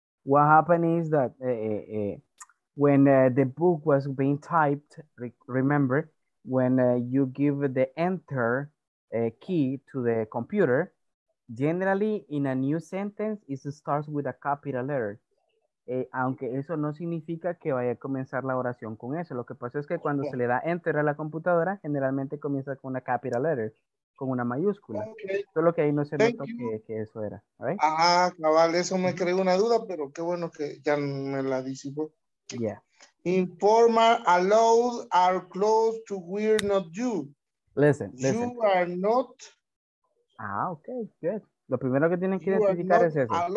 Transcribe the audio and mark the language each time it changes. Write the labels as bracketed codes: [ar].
[en] What happened is that when the book was being typed, remember when you give the enter key to the computer, generally in a new sentence it starts with a capital letter. [es] Aunque eso no significa que vaya a comenzar la oración con eso. Lo que pasa es que cuando se le da enter a la computadora, generalmente comienza con una [en] capital letter. [es] Con una mayúscula. [en] Okay. [es] Solo que ahí no se notó que eso era. [en] Right? [es] Ajá, cabal, eso me creó una duda, pero qué bueno que ya me la disipó. [en] Yeah. Informal, allowed, are close to, we're not you. Listen. You are not. Ah, ok, good. [es] Lo primero que tienen que identificar es eso.